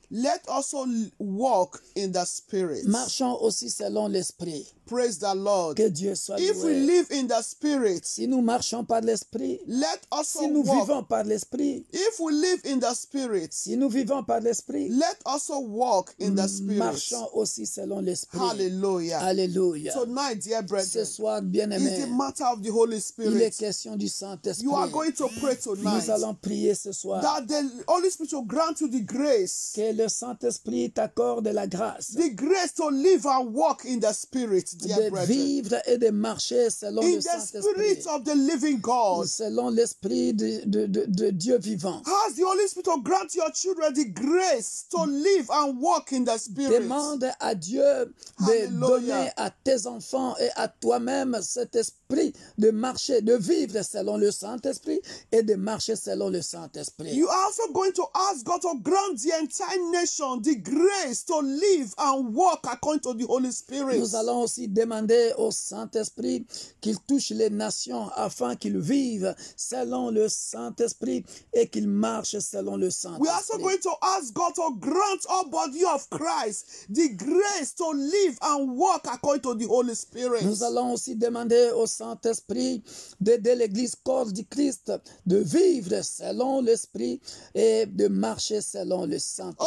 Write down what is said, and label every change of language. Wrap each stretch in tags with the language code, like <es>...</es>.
<en>let also walk in the Spirit.</en> <fr>Marchons aussi selon l'Esprit.</fr> <en>Praise the Lord.</en> <fr>Que Dieu soit loué.</fr> <en>If we live in the Spirit,</en> <fr>si nous marchons par l'Esprit,</fr> <en>let also walk.</en> <fr>Si nous</fr> <en>walk.</en> <fr>Vivons par l'Esprit,</fr> <en>if we live in the Spirit,</en> <fr>si nous vivons par l'Esprit,</fr> <en>let also walk in the Spirit.</en> <fr>Marchons aussi selon l'Esprit. Hallelujah. Hallelujah.</fr> <en>Tonight, dear brethren,</en> <fr>ce soir, bien-aimés,</fr> <en>it's a matter of the Holy Spirit.</en> <fr>Il est question du Saint-Esprit.</fr> <en>You are going to pray tonight.</en> <fr>Nous allons prier ce soir.</fr> <en>That the Holy Spirit will grant you the grace.</en> <fr>Que le Saint-Esprit t'accorde la grâce.</fr> <en>The grace to live and walk in the Spirit, dear brethren.</en> <fr>De vivre et de marcher selon</fr> <en>in</en> <fr>le Saint-Esprit.</fr> <en>In the Spirit of the living God.</en> <fr>Selon l'Esprit de Dieu vivant.</fr> <en>Has the Holy Spirit to grant your children the grace to live and walk in the Spirit.</en> <fr>Demande à Dieu de donner à tes enfants et à toi-même cet esprit de marcher, de vivre selon le Saint-Esprit et de marcher selon le Saint-Esprit.</fr> <en>You are also going to ask God to grant the entire nation the grace to live and walk according to the Holy Spirit.</en> <fr>Nous allons aussi demander au Saint-Esprit qu'il touche les nations afin qu'ils vivent selon le Saint-Esprit et qu'ils marchent selon le Saint-Esprit.</fr> <en>We are also going to ask God to grant all body of Christ the grace to live and walk according to the Holy Spirit.</en> <fr>Nous allons aussi demander au Saint-Esprit d'aider l'Église corps du Christ de vivre selon l'Esprit et de marcher selon le Saint-Esprit.</fr>